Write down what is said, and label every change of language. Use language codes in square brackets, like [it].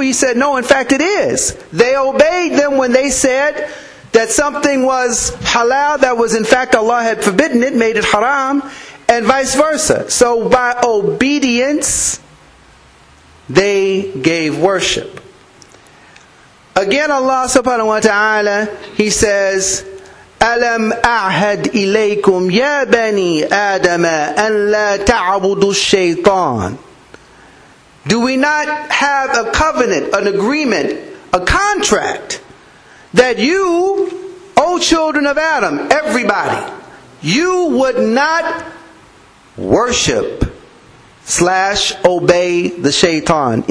[en] He said, no, in fact it is. They obeyed them when they said that something was halal, that was in fact Allah had forbidden it, made it haram, and vice versa. So by obedience, they gave worship. Again, Allah subhanahu wa ta'ala, He says, [ar] أَلَمْ أَعْهَدْ إِلَيْكُمْ يَا بَنِي آدَمَا أَنْ لَا تَعْبُدُوا الشَّيْطَانَ. [en] Do we not have a covenant, an agreement, a contract that you, O children of Adam, everybody, you would not worship / obey the shaitan?